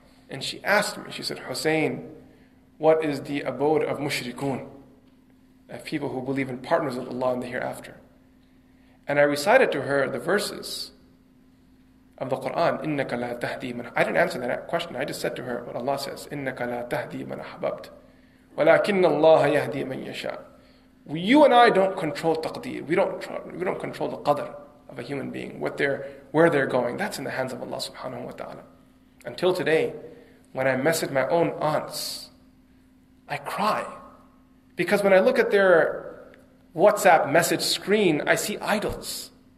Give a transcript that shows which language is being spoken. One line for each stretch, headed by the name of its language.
English: And she asked me, she said, Hussein, what is the abode of mushrikun? Of people who believe in partners of Allah in the hereafter. And I recited to her the verses of the Quran,
Arabic: إِنَّكَ لَا تَهْدِي مَنْ أَحْبَبْتَ.
English: I didn't answer that question. I just said to her what Allah says,
Arabic: إِنَّكَ لَا تَهْدِي مَنْ أَحْبَبْتَ وَلَكِنَّ اللَّهَ يَهْدِي مَنْ يَشَاءُ.
English: You and I don't control taqdeer. We don't control the qadr of a human being, where they're going. That's in the hands of Allah subhanahu wa ta'ala. Until today, when I message my own aunts, I cry. Because when I look at their WhatsApp message screen, I see idols.